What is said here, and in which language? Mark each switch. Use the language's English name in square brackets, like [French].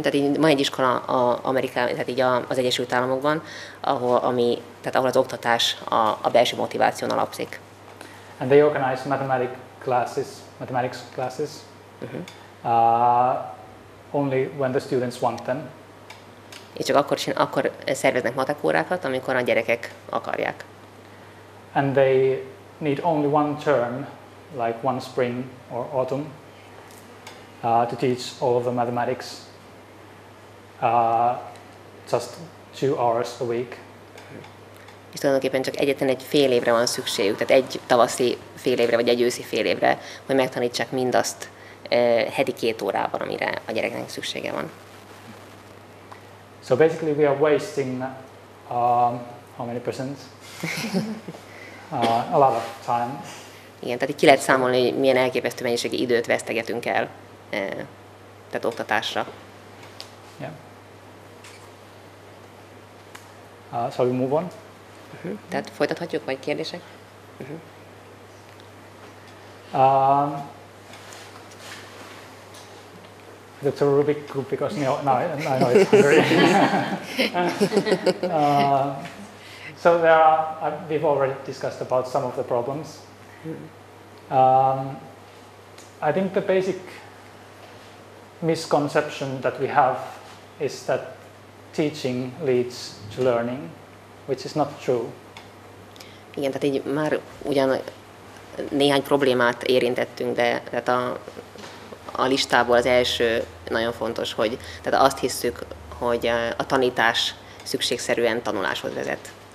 [Hungarian] Tehát így van egy iskola Amerikában, tehát így az Egyesült Államokban, ahol az oktatás a belső motiváción alapszik. [English] And they organize mathematics classes. Mm-hmm. Only when the students want them. [Hungarian] És csak akkor szerveznek matek órákat, amikor a gyerekek akarják. [English] And they need only one term, like one spring or autumn, to teach all of the mathematics, just 2 hours a week. [Hungarian] És tulajdonképpen csak egyetlen egy fél évre van szükségük, tehát egy tavaszi fél évre, vagy egy őszi fél évre, hogy megtanítsák mindazt heti 2 órában, amire a gyereknek szüksége van. [English] So basically we are wasting how many percent? A lot of time. [Hungarian] Igen, tehát ki lehet számolni, hogy milyen elképesztő mennyiségű időt vesztegetünk el tehát oktatásra. [English] Yeah. Shall we move on? Uh-huh. [Hungarian] Tehát folytathatjuk, vagy kérdések? [English] Uh-huh. Dr. Rubik, because now I know it's hungry. So there are, we've already discussed about some of the problems. I think the basic misconception that we have is that teaching leads to learning, which is not true. [Hungarian] Igen, tehát így már ugyan néhány problémát érintettünk, de tehát a listából az első nagyon fontos, hogy tehát azt hisszük, hogy a tanítás szükségszerűen tanuláshoz vezet.